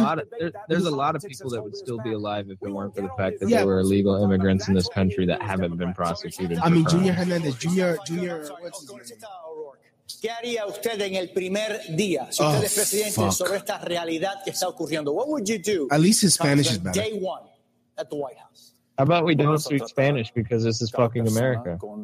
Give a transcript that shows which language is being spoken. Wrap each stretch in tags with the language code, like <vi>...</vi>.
<en>a lot of, there's a lot of people that would still be alive if it weren't for the fact that there were illegal immigrants in this country that haven't been prosecuted. I mean, Junior Hernandez, Junior, what's his name?</en> <es>¿Qué haría usted en el primer día si usted es presidente sobre esta realidad que está ocurriendo?</es> <en>What would you do? At least his Spanish is better. Day one at the White House. How about we don't speak Spanish because this is fucking America?</en>